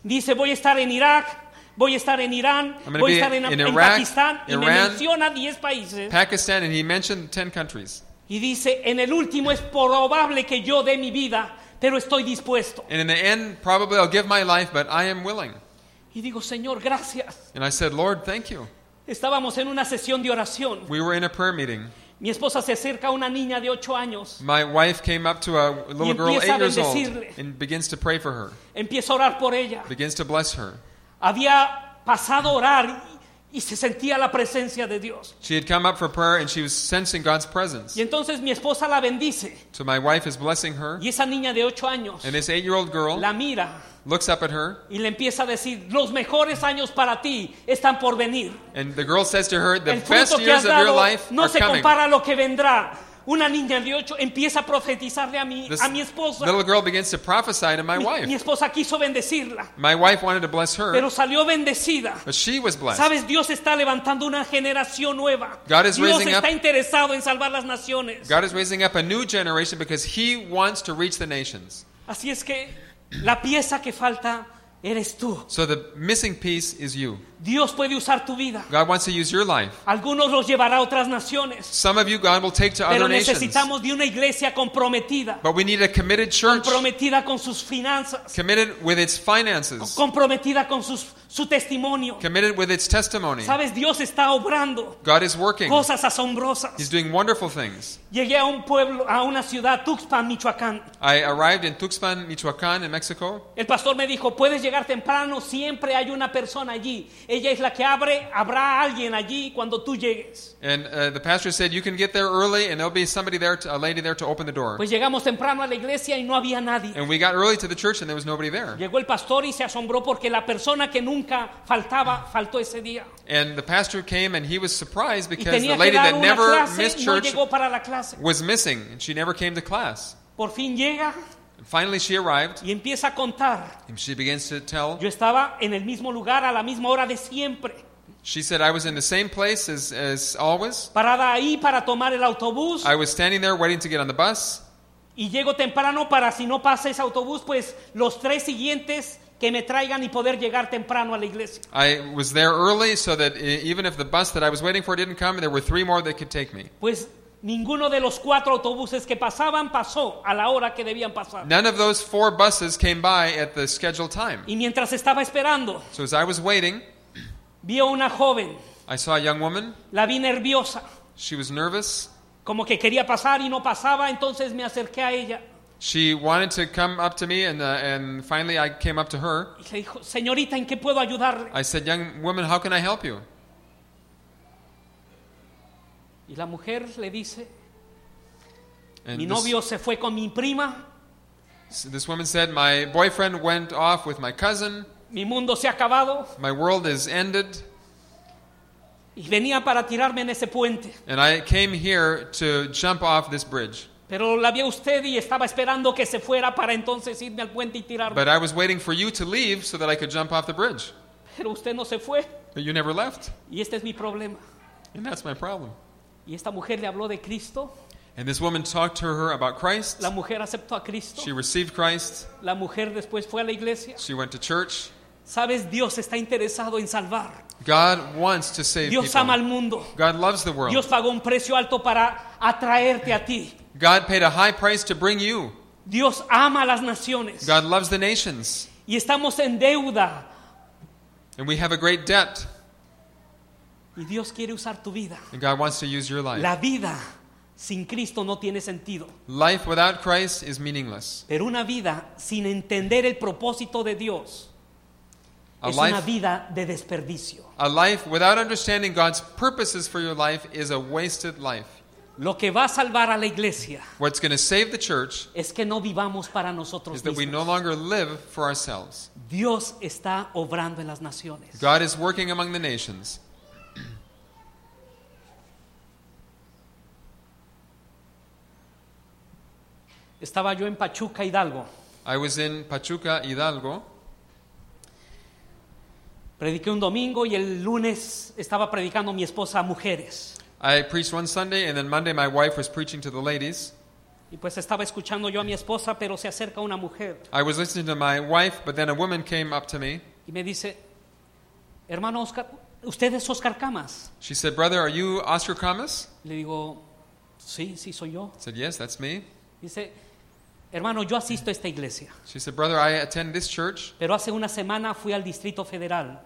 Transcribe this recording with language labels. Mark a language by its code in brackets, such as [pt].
[es] Dice, voy a estar en Irak. Voy a estar en Irán, voy a estar en Pakistán, y me menciona 10 países. [en] Pakistan, and he mentioned 10 countries. [es] Y dice, en el último es probable que yo dé mi vida, pero estoy dispuesto. [en] And in the end, probably I'll give my life, but I am willing. [es] Y digo, Señor, gracias. [en] And I said, Lord, thank you. [es] Estábamos en una sesión de oración. [en] We were in a prayer meeting. [es] Mi esposa se acerca a una niña de 8 años. [en] My wife came up to a little girl, 8 years [es] bendecirle. [en] Old, and begins to pray for her. [es] Empieza a orar por ella. [en] Begins to bless her. [es] Había pasado a orar y se sentía la presencia de Dios. [en] She had come up for prayer and she was sensing God's presence. [es] Y entonces mi esposa la bendice. [en] So my wife is blessing her. [es] Y esa niña de 8 años. [en] And this 8-year-old girl. [es] La mira. [en] Looks up at her. [es] Y le empieza a decir, los mejores años para ti están por venir. [en] And the girl says to her, the best years of your life [es] no [en] are coming. [es] No se compara a lo que vendrá. Una niña de 8 empieza a profetizarle a mi esposa. [en] Little girl begins to prophesy to my wife. [es] Mi esposa quiso bendecirla. [en] My wife wanted to bless her. [es] Pero salió bendecida. [en] But she was blessed. [es] Sabes, Dios está levantando una generación nueva. [en] God is raising up. [es] Dios está interesado en salvar las naciones. [en] God is raising up a new generation because he wants to reach the nations. [es] Así es que la pieza que falta eres tú. [en] So the missing piece is you. [es] Dios puede usar tu vida. [en] God wants to use your life. [es] Algunos los llevará a otras naciones. [en] Some of you God will take to other nations. [es] Pero necesitamos de una iglesia comprometida. [en] But we need a committed church. [es] Comprometida con sus finanzas. [en] Committed with its finances. [es] Comprometida con su testimonio. [en] Committed with its testimony. [es] Sabes, Dios está obrando. [en] God is working. [es] Cosas asombrosas. [en] He's doing wonderful things. [es] Llegué a un pueblo, a una ciudad, Tuxpan, Michoacán. [en] I arrived in Tuxpan, Michoacán, in Mexico. [es] El pastor me dijo, puedes llegar temprano, siempre hay una persona allí. Ella es la que abre, habrá alguien allí cuando tú llegues. [en] And the pastor said, you can get there early and there'll be somebody there, a lady there to open the door. [es] Pues llegamos temprano a la iglesia y no había nadie. [en] And we got early to the church and there was nobody there. [es] Llegó el pastor y se asombró porque la persona que nunca faltaba, faltó ese día. [en] And the pastor came and he was surprised because the lady that never missed church was missing and she never came to class. [es] Por fin llega. [en] Finally she arrived. [es] Y empieza a contar. [en] And she begins to tell. [es] Yo estaba en el mismo lugar a la misma hora de siempre. [en] She said, I was in the same place as always. [es] Parada ahí para tomar el autobús. [en] I was standing there waiting to get on the bus. [es] Y llego temprano para si no pasa ese autobús, pues los tres siguientes que me traigan y poder llegar temprano a la iglesia. [en] I was there early so that even if the bus that I was waiting for didn't come, there were three more that could take me. [es] Pues ninguno de los cuatro autobuses que pasaban pasó a la hora que debían pasar. [en] None of those four buses came by at the scheduled time. [es] Y mientras estaba esperando, [en] so as I was waiting, [es] vi a una joven. [en] I saw a young woman. [es] La vi nerviosa. [en] She was nervous. [es] Como que quería pasar y no pasaba, entonces me acerqué a ella. [en] She wanted to come up to me and finally I came up to her. [es] Y le dijo, señorita, ¿en qué puedo ayudarle? [en] I said, young woman, how can I help you? [es] Y la mujer le dice, mi novio se fue con mi prima. [en] This woman said, my boyfriend went off with my cousin. [es] Mi mundo se ha acabado. [en] My world is ended. [es] Y venía para tirarme en ese puente. [en] And I came here to jump off this bridge. [es] Pero la vi a usted y estaba esperando que se fuera para entonces irme al puente y tirarme. [en] But I was waiting for you to leave so that I could jump off the bridge. [es] Pero usted no se fue. [en] But you never left. [es] Y este es mi problema. [en] And that's my problem. [es] Y esta mujer le habló de Cristo. [en] And this woman talked to her about Christ. [es] La mujer aceptó a Cristo. [en] She received Christ. [es] La mujer después fue a la iglesia. [en] She went to church. [es] Sabes, Dios está interesado en salvar. [en] God wants to save [es] Dios [en] people. [es] Ama al mundo. [en] God loves the world. [es] Dios pagó un precio alto para atraerte a ti. [en] God paid a high price to bring you. [es] Dios ama las naciones. [en] God loves the nations. [es] Y estamos en deuda. [en] And we have a great debt. [es] Y Dios quiere usar tu vida. [en] And God wants to use your life. [es] La vida sin Cristo no tiene sentido. [en] Life without Christ is meaningless. [es] Pero una vida sin entender el propósito de Dios es una vida de desperdicio. [en] A life without understanding God's purposes for your life is a wasted life. [es] Lo que va a salvar a la iglesia, [en] what's going to save the church, [es] es que no vivamos para nosotros mismos. [en] Is that we no longer live for ourselves. [es] Dios está obrando en las naciones. [en] God is working among the nations. [es] Estaba yo en Pachuca, Hidalgo. [en] I was in Pachuca, Hidalgo. [es] Prediqué un domingo y el lunes estaba predicando mi esposa a mujeres. [en] I preached one Sunday and then Monday my wife was preaching to the ladies. [es] Y pues estaba escuchando yo a mi esposa, pero se acerca una mujer. [en] I was listening to my wife, but then a woman came up to me. [es] Y me dice, hermano Oscar, ¿usted es Oscar Camas? [en] She said, brother, are you Oscar Camas? [es] Le digo, sí, sí, soy yo. [en] I said, yes, that's me. [es] Dice, hermano, yo asisto a esta iglesia. [en] She said, brother, I attend this church. [es] Pero hace una semana fui al Distrito Federal.